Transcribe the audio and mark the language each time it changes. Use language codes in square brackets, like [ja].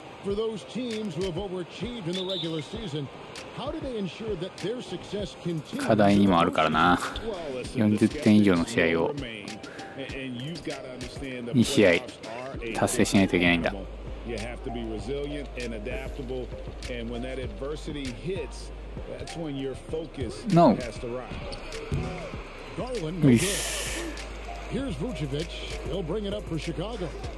[en] For those teams who have overachieved in the regular season, how do they ensure that their success continues? [ja] 課題にもあるからな。 40点以上の試合を2試合達成しないといけないんだ。 [en] You have to be resilient and adaptable, and when that adversity hits, that's when your focus has to rise. Garland, here's Vucevic. He'll bring it up for Chicago.